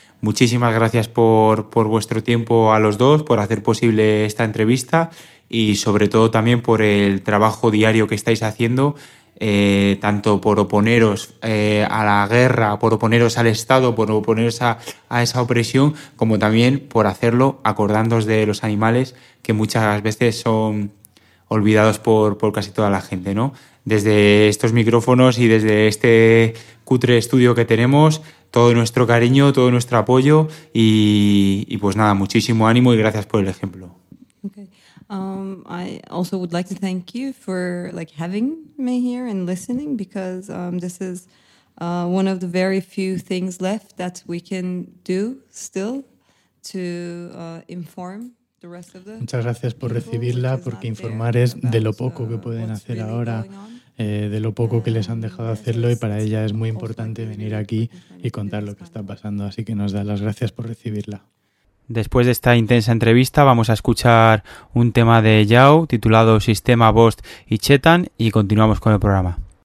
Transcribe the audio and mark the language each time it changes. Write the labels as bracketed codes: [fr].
[es] Muchísimas gracias por vuestro tiempo a los dos, por hacer posible esta entrevista y sobre todo también por el trabajo diario que estáis haciendo, tanto por oponeros a la guerra, por oponeros al Estado, por oponeros a esa opresión, como también por hacerlo acordándoos de los animales que muchas veces son olvidados por casi toda la gente, ¿no? Desde estos micrófonos y desde este cutre estudio que tenemos, todo nuestro cariño, todo nuestro apoyo y pues nada, muchísimo ánimo y gracias por el ejemplo. [en] Okay. I also would like to thank you for like having me here and listening because this is one of the very few things left that we can do still to inform. [es] Muchas gracias por recibirla, porque informar es de lo poco que pueden hacer ahora, de lo poco que les han dejado hacerlo y para ella es muy importante venir aquí y contar lo que está pasando, así que nos da las gracias por recibirla. Después de esta intensa entrevista vamos a escuchar un tema de Yao titulado Sistema, Bost y Chetan y continuamos con el programa.